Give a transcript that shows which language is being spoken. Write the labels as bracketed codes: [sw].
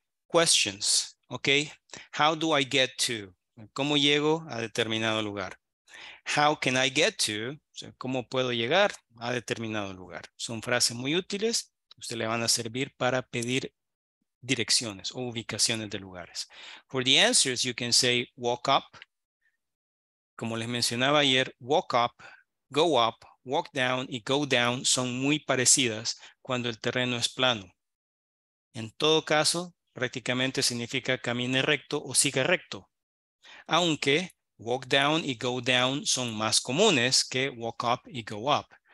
[en] Questions, okay? How do I get to? [es] ¿Cómo llego a determinado lugar? [en] How can I get to? [es] ¿Cómo puedo llegar a determinado lugar? Son frases muy útiles. Usted le van a servir para pedir direcciones o ubicaciones de lugares. [en] For the answers, you can say walk up. [es] Como les mencionaba ayer, [en] walk up, go up, walk down [es] y go down son muy parecidas cuando el terreno es plano. En todo caso, prácticamente significa camine recto o siga recto. Aunque walk down y go down son más comunes que walk up y go up.